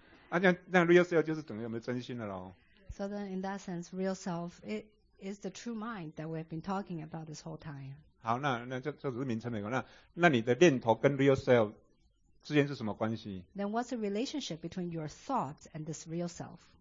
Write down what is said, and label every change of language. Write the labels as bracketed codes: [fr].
[zh] 那 real self 就是等于我们真心的喽。 [en] So then, in that sense, real self it is the true mind that we have been talking about this whole time. [zh] 好，那这只是名称而已。那你的念头跟 real self 之间是什么关系 [en] ？Then what's the relationship between your thoughts and this real self？